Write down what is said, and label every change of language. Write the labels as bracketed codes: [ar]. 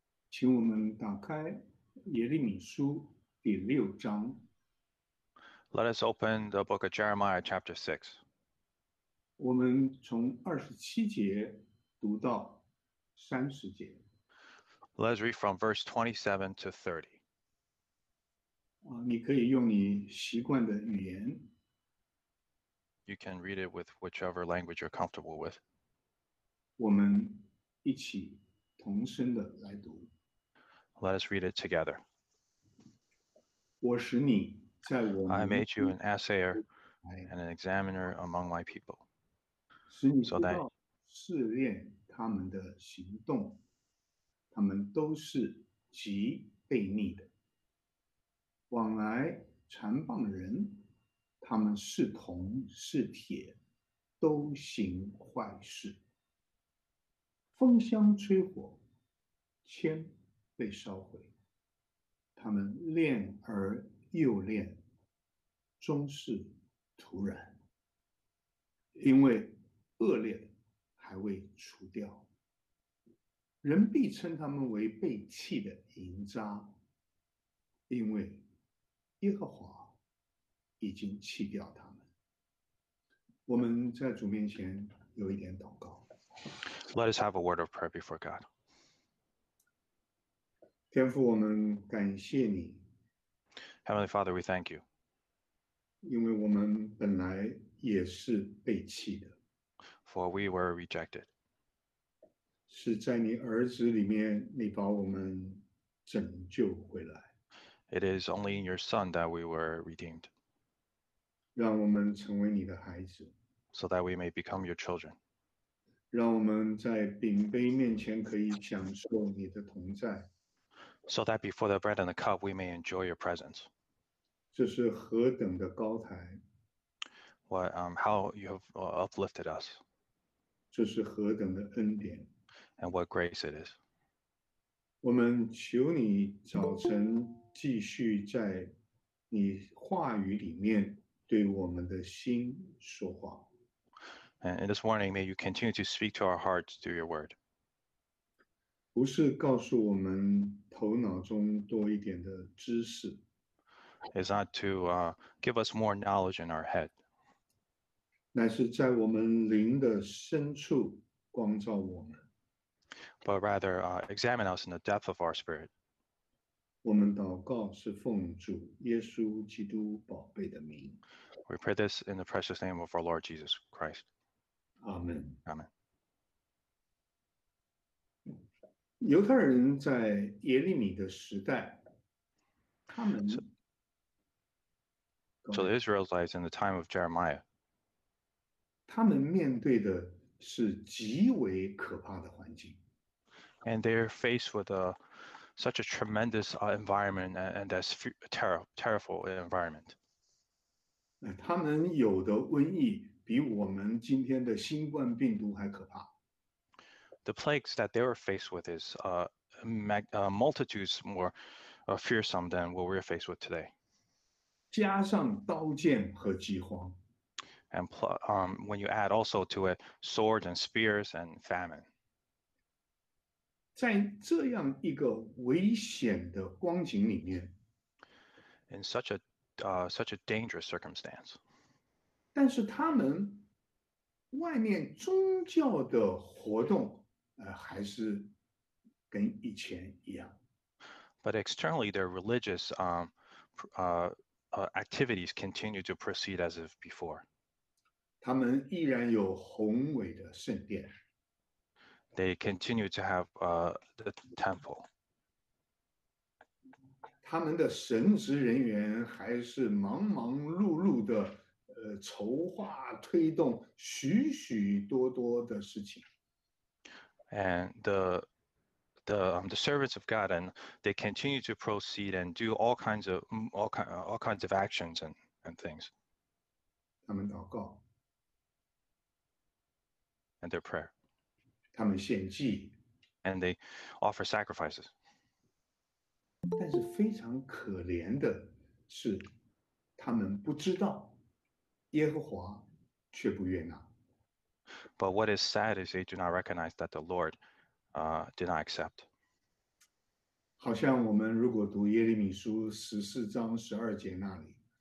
[zh] 请我们打开耶利米书第六章。 [en] Let us open the book of Jeremiah, chapter 6. [zh] 我们从27节读到30节。 [en] Let us read from verse 27 to 30. [zh] 啊，你可以用你习惯的语言。 [en] You can read it with whichever language you're comfortable with. [zh] 我们一起同声的来读。 [en] Let us read it together. [zh] 我使你在我 [en] I [zh] 民 [en] made you an assayer [zh] 来， [en] and an examiner among my people, [zh] 使你 [en] so [zh] 知 [en] that [zh] 道试炼他们的行动，他们都是极悖逆的，往来缠谤人，他们是铜是铁，都行坏事。风箱吹火，铅被烧毁。他们炼而又炼，终是徒然，因为恶劣还未除掉。人必称他们为被弃的营渣，因为耶和华已经弃掉他们。我们在主面前有一点祷告。 [en] Let us have a word of prayer before God. [zh] 天父，我们感谢你， [en] Heavenly Father, we thank you. [zh] 因为我们本来也是被弃的， [en] For we were rejected. [zh] 是在你儿子里面，你把我们拯救回来， [en] It is only in your Son that we were redeemed, [zh] 让我们成为你的孩子， [en] so that we may become your children. [zh] 让我们在饼杯面前可以享受你的同在。 [en] So that before the bread and the cup, we may enjoy your presence. [zh] 这是何等的高台， [en] How you have uplifted us, [zh] 这是何等的恩典。 [en] and what grace it is. [zh] 我们求你早晨继续在你话语里面对我们的心说话。 [en] And this morning, may you continue to speak to our hearts through your word. [zh] 不是告诉我们头脑中多一点的知识。 [en] Is not to give us more knowledge in our head. [zh] 乃是在我们灵的深处光照我们。 [en] But rather examine us in the depth of our spirit. [zh] 我们祷告是奉主耶稣基督宝贝的名。 [en] We pray this in the precious name of our Lord Jesus Christ. [zh] 阿门。 [en] Amen. [zh] 犹太人在耶利米的时代，他们，各 [en] So the [zh] 位。 [en] Israelites in the time of Jeremiah. [zh] 他们面对的是极为可怕的环境。 [en] And they're faced with a such a tremendous environment and a terrible environment. [zh] 他们有的瘟疫比我们今天的新冠病毒还可怕。 [en] The plagues that they were faced with is multitudes more fearsome than what we're faced with today. [zh] 加上刀剑和饥荒。 [en] And when you add also to it swords and spears and famine. [zh] 在这样一个危险的光景里面， [en] In such a dangerous circumstance. [zh] 但是他们外面宗教的活动，还是跟以前一样。 [en] But externally, their religious activities continue to proceed as if before. [zh] 他们依然有宏伟的圣殿。 [en] They continue to have the temple. [zh] 他们的神职人员还是忙忙碌碌的，筹划推动许许多多的事情。 [en] And the servants of God, and they continue to proceed and do all kinds of actions and things. [zh] 他们祷告， [en] And their prayer. [zh] 他们献祭。 [en] And they offer sacrifices. [zh] 但是非常可怜的是，他们不知道，耶和华却不悦纳。 [en] But what is sad is they do not recognize that the Lord did not accept. [zh] 好像我们如果读耶利米书十四章十二节那里。